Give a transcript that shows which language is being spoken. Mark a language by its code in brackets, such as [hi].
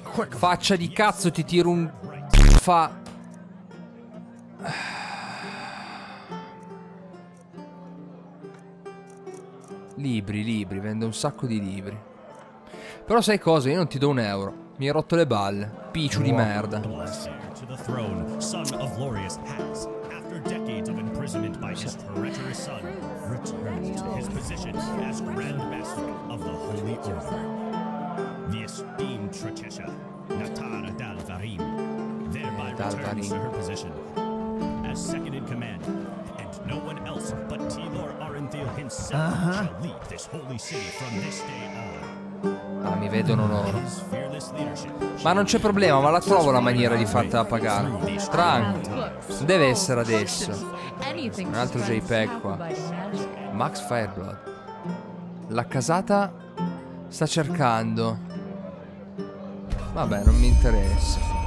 [it] Faccia di cazzo, ti tiro un... Fa... Libri, libri, vendo un sacco di libri. Però sai cosa? Io non ti do un euro. Mi hai rotto le balle. Picciu di merda. [en] The throne, son of Glorious Pax, after decades of imprisonment by his treacherous son, returns to his position as Grand Master of the Holy Order. The esteemed Tratisha, Natara Dalvarim, thereby returns to her position as second in command, and no one else but Tilor Arinthil himself shall lead this holy city from this day on. [it] Ah, mi vedono loro. Ma non c'è problema, ma la trovo la maniera di fartela pagare. Tranqu. Deve essere adesso. Un altro JPEG qua. Max Fireblood. La casata sta cercando. Vabbè, non mi interessa.